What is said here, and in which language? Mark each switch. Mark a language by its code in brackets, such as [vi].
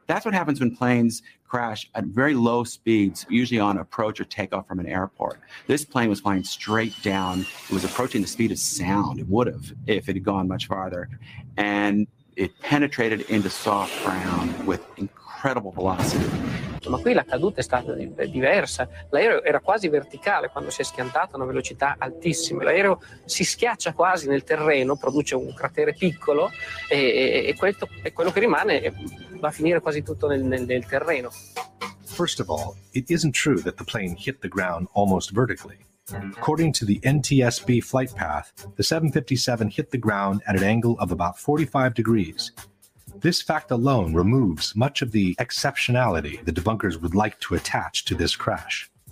[en] That's what happens when planes crash at very low speeds, usually on approach or takeoff from an airport. This plane was flying straight down. It was approaching the speed of sound. It would have if it had gone much farther. And it penetrated into soft ground with incredible velocity. [it] Ma qui la caduta è stata diversa. L'aereo era quasi verticale quando si è schiantato a una velocità altissima. L'aereo si schiaccia quasi nel terreno, produce un cratere piccolo e questo è quello che rimane va a finire quasi tutto nel terreno. [en] First of all, it isn't true that the plane hit the ground almost vertically. According to the NTSB flight path, the 757 hit the ground at an angle of about 45 degrees. This fact alone removes much of the exceptionality the debunkers would like to attach to this crash.